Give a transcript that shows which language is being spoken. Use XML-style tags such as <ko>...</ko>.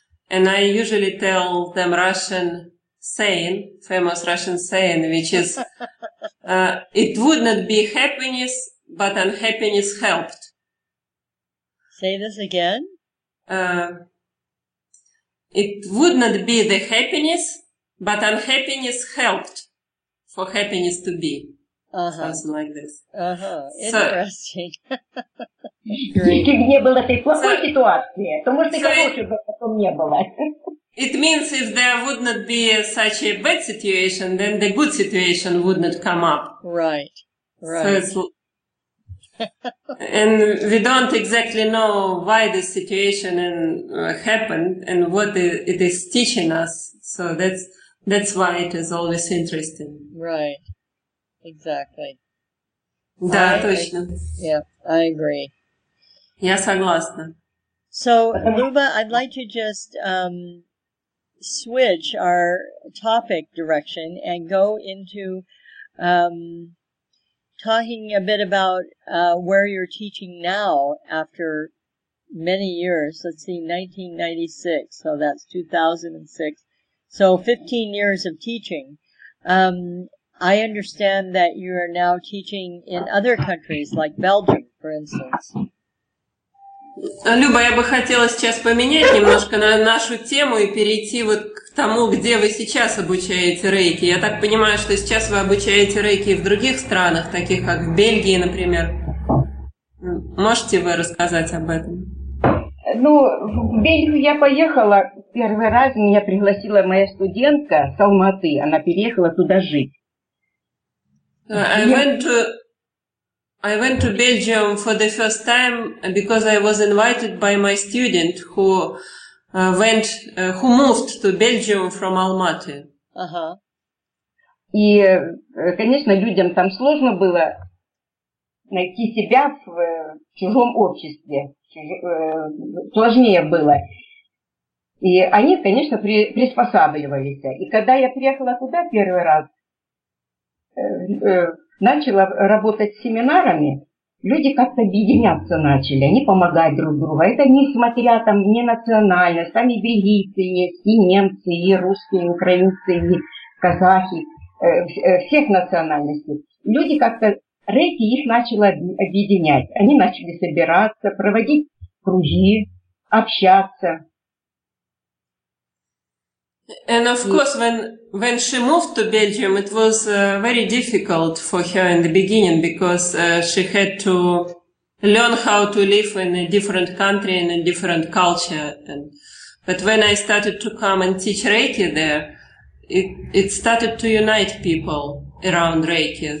<en>And I usually tell them Russian saying, famous Russian saying, which is, it would not be happiness, but unhappiness helped. Say this again. It would not be the happiness, but unhappiness helped for happiness to be. Uh-huh. Something like this. Uh-huh. Interesting.</en> <ru>Если бы не было этой плохой ситуации, то, может, и хорошей бы потом не было.</ru> <en>It means if there would not be such a bad situation, then the good situation would not come up. Right. So it's and we don't exactly know why this situation happened and what it is teaching us. So that's why it is always interesting. Right. Exactly.</en> <ru>Да, точно.</ru> <en>Yeah, I agree.</en> <ru>Я согласна.</ru> <en>So, Luba, I'd like to just switch our topic direction and go into talking a bit about where you're teaching now after many years. Let's see, 1996, so that's 2006. So 15 years of teaching. I understand that you are now teaching in other countries, like Belgium, for instance.</en> <ru>Люба, я бы хотела сейчас поменять немножко на нашу тему и перейти вот к тому, где вы сейчас обучаете рейки. Я так понимаю, что сейчас вы обучаете рейки в других странах, таких как в Бельгии, например. Можете вы рассказать об этом? Ну, в Бельгию я поехала. Первый раз меня пригласила моя студентка с Алматы. Она переехала туда жить.</ru> <en>I went to Belgium for the first time because I was invited by my student who who moved to Belgium from Almaty. Uh-huh.</en> <ru>И, конечно, людям там сложно было найти себя в чужом обществе. Сложнее было. И они, конечно, приспосабливались. И когда я приехала туда первый раз, начала работать с семинарами, люди как-то объединяться начали, они помогают друг другу. Это несмотря там не национальность, там и бельгийцы есть, и немцы, и русские, и украинцы, и казахи, всех национальностей. Люди как-то, рейки их начали объединять. Они начали собираться, проводить круги, общаться.</ru> <en>And of course, when she moved to Belgium, it was very difficult for her in the beginning because she had to learn how to live in a different country, in a different culture. But when I started to come and teach Reiki there, it started to unite people around Reiki.</en>